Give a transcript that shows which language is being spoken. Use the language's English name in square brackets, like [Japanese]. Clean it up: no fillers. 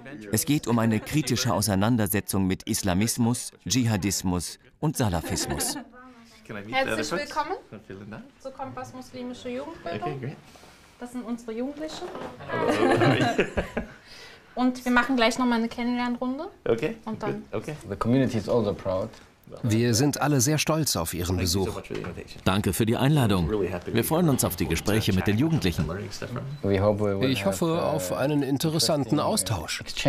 [German] Es geht um eine kritische Auseinandersetzung mit Islamismus, Dschihadismus und Salafismus. Herzlich willkommen zu Kompass muslimische Jugendbildung. Das sind unsere Jugendlichen. Und wir machen gleich nochmal eine Kennenlernrunde. [English] Okay. The community is also proud. [German] Wir sind alle sehr stolz auf Ihren Besuch. Danke für die Einladung. Wir freuen uns auf die Gespräche mit den Jugendlichen. Ich hoffe auf einen interessanten Austausch.